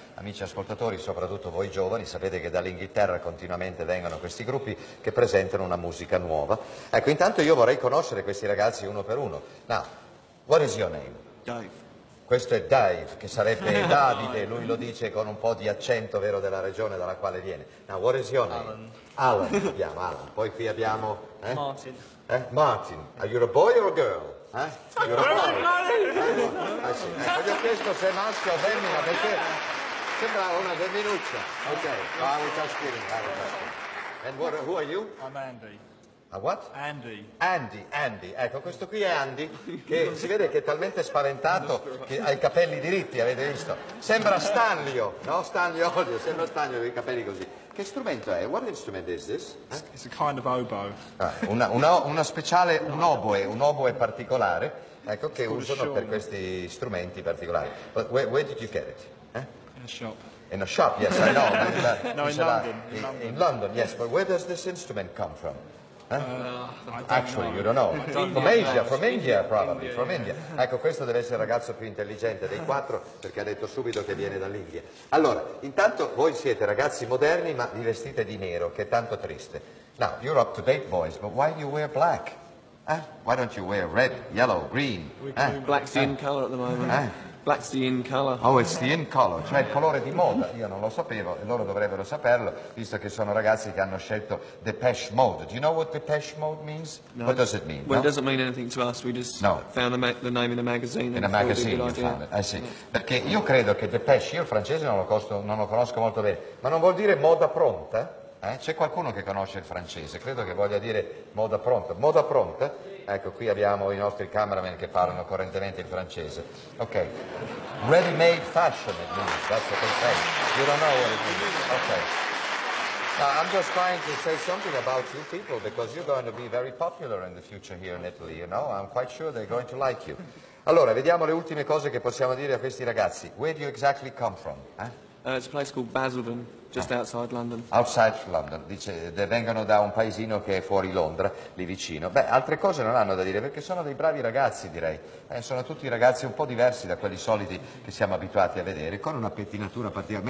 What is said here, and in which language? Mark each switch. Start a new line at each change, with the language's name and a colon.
Italian: Amici ascoltatori, soprattutto voi giovani, sapete che dall'Inghilterra continuamente vengono questi gruppi che presentano una musica nuova. Ecco, intanto io vorrei conoscere questi ragazzi uno per uno.
English: Now, what is your name? Dave.
Italian: Questo è Dave, che sarebbe Davide, lui lo dice con un po' di accento vero della regione dalla quale viene.
English: Now, what is your name? Alan.
Italian: Alan, abbiamo Alan. Poi qui abbiamo...
English: Martin. Martin, are you a boy or a girl? You're a boy. Martin!
Italian: Ho già chiesto se è maschio o femmina, perché sembrava una femminuccia.
English: Ok, I was just kidding. And who are you? I'm Andy. A what? Andy.
Italian: Ecco, questo qui è Andy, che si vede che è talmente spaventato che ha i capelli diritti, avete visto? Sembra Stanlio, no? Stanlio, odio, sembra Stanlio con i capelli così. Che strumento è?
English: What instrument is this? It's a kind of oboe.
Italian: Una speciale, un oboe particolare, ecco, che usano per questi strumenti particolari.
English: But where did you get it? In a shop. In a shop, yes, I know. No, in London. In London, yes, but where does this instrument come from? I don't know. From India, probably.
Italian: Ecco, questo deve essere il ragazzo più intelligente dei quattro, perché ha detto subito che viene dall'India. Allora, intanto voi siete ragazzi moderni, ma vi vestite di nero, che è tanto triste.
English: Now, you're up to date, boys, but why do you wear black? Why don't you wear red, yellow, green? Black's the in color at the moment. Black's the in color. Oh, it's the in color,
Italian: cioè il colore di moda. Io non lo sapevo e loro dovrebbero saperlo, visto che sono ragazzi che hanno scelto Depeche Mode.
English: Do you know what Depeche Mode means? No. What does it mean? Well, no? It doesn't mean anything to us. We just found the name in a magazine. In a magazine, you found it. I see. Yeah.
Italian: Perché io credo che Depeche, io il francese non lo conosco molto bene, ma non vuol dire moda pronta? C'è qualcuno che conosce il francese, credo che voglia dire moda pronta. Moda pronta? Ecco, qui abbiamo i nostri cameraman che parlano correntemente il francese.
English: Ok. Ready made fashion, it means. That's what they say. You don't know what it means. Ok. Now, I'm just trying to say something about you people, because you're going to be very popular in the future here in Italy, you know? I'm quite sure they're going to like you.
Italian: Allora, vediamo le ultime cose che possiamo dire a questi ragazzi.
English: Where do you exactly come from? It's a place called Basildon, just outside London. Outside London,
Italian: dice, vengono da un paesino che è fuori Londra, lì vicino. Beh, altre cose non hanno da dire, perché sono dei bravi ragazzi, direi. Sono tutti ragazzi un po' diversi da quelli soliti che siamo abituati a vedere, con una pettinatura particolare.